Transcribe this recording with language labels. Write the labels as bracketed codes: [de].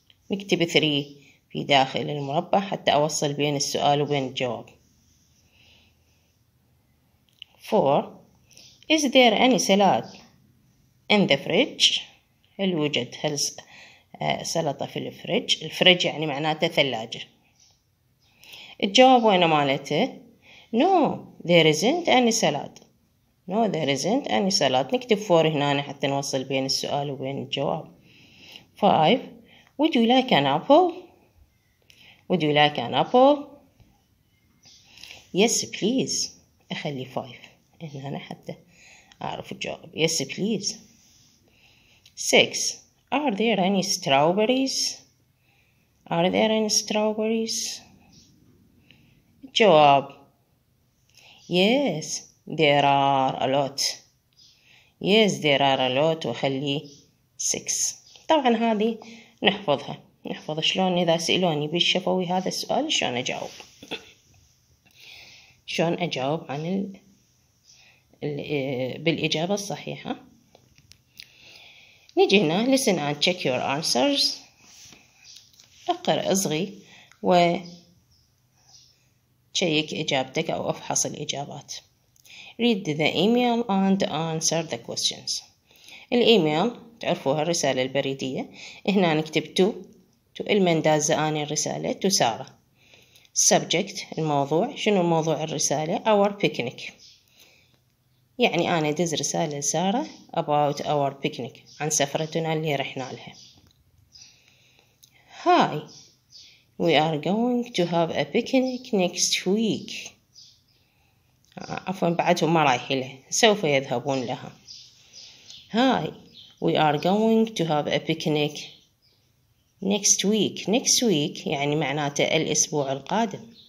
[ar] نكتب 3 في داخل المربع حتى أوصل بين السؤال وبين الجواب. 4. [en] Is there any salad in the fridge? [ar] هل يوجد سلطة في الفريج؟ الفريج يعني معناته ثلاجة. الجواب وين مالته؟ [en] No there isn't any salad. No there isn't any salad. [ar] نكتب 4 هنا حتى نوصل بين السؤال وبين الجواب. [en] 5 Would you like an apple? Would you like an apple? Yes please. [ar] أخلي 5 هنا حتى أعرف الجواب. [en] Yes, please. 6. Are there any strawberries? Are there any strawberries? الجواب. Yes, there are a lot. Yes, there are a lot. [ar] وخلي 6. طبعا هذه نحفظها. نحفظ شلون إذا سألوني بالشفوي هذا السؤال شلون أجاوب. شلون أجاوب عن بالإجابة الصحيحة. نجي هنا [en] listen and check your answers. [ar] أقرأ أصغي وشيك إجابتك أو أفحص الإجابات. [en] Read the email and answer the questions. [ar] الإيميل تعرفوها الرسالة البريدية. هنا نكتب to المن دازة آني الرسالة to سارة. Subject الموضوع شنو موضوع الرسالة [en] our picnic. [ar] يعني أنا دز رسالة لسارة [en] about our picnic [ar] عن سفرتنا اللي رحنا لها. [en] Hi, we are going to have a picnic next week. [ar] عفوا بعدهم ما رايحين له سوف يذهبون لها. [en] Hi, we are going to have a picnic next week. Next week [ar] يعني معناته الأسبوع القادم.